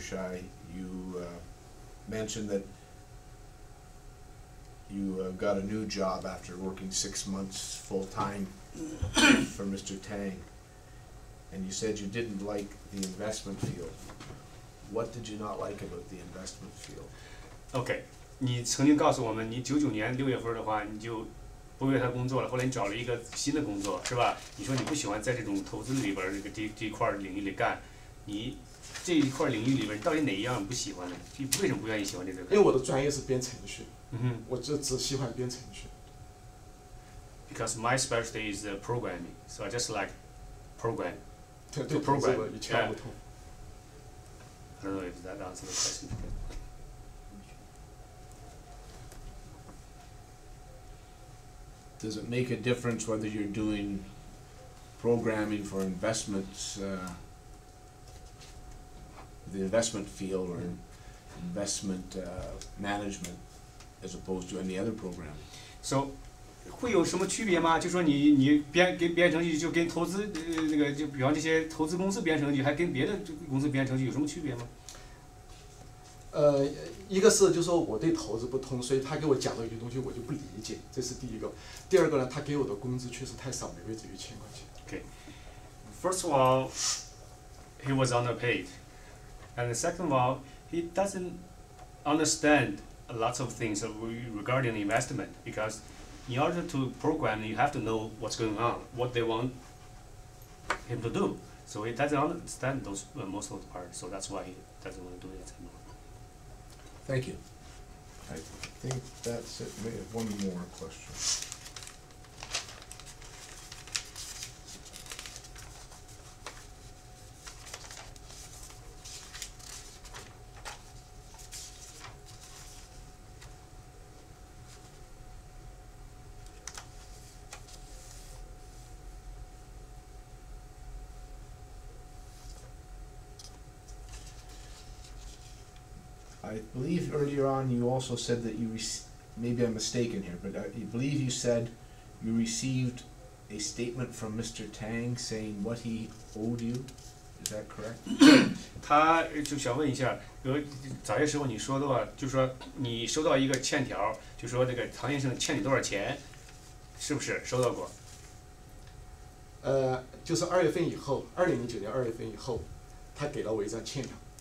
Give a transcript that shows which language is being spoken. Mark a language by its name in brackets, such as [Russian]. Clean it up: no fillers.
[English] Shai, you mentioned that you got a new job after working 6 months full time for Mr. Tang, and you said you didn't like the investment field. What did you not like about the investment field? Okay. [Chinese] 你曾经告诉我们，你1999年6月份的话，你就不为他工作了。后来你找了一个新的工作，是吧？你说你不喜欢在这种投资里边这个这块领域里干，你这一块领域里边到底哪一样不喜欢呢？你为什么不愿意喜欢这个？因为我的专业是编程序，嗯哼，我就只喜欢编程序。 [English] Because my specialty is programming, so I just like program. [Chinese] 对对 [English] ，program [Chinese] 一窍不通。 [English] I don't know if that answers the question. Does it make a difference whether you're doing programming for investments, the investment field or investment management, as opposed to any other program? [Chinese] So, 会有什么区别吗？就说你编程序就跟投资那个就比方这些投资公司编程序，还跟别的公司编程序有什么区别吗？一个是就是说我对投资不通，所以他给我讲的一些东西我就不理解，这是第一个。第二个呢，他给我的工资确实太少，每个月只有1000块钱。 [English] Okay. First of all, he was underpaid. And second of all, he doesn't understand lots of things regarding investment, because in order to program, you have to know what's going on, what they want him to do. So he doesn't understand those, most of the part, so that's why he doesn't want to do it anymore. Thank you. I think that's it. We have one more question. I believe earlier on you also said that you maybe I'm mistaken here, but I believe you said you received a statement from Mr. Tang saying what he owed you. Is that correct? [Chinese] 他就想问一下，早些时候你说的话，就说你收到一个欠条，就说那个唐先生欠你多少钱，是不是收到过？就是二月份以后，2009年2月份以后，他给了我一张欠条。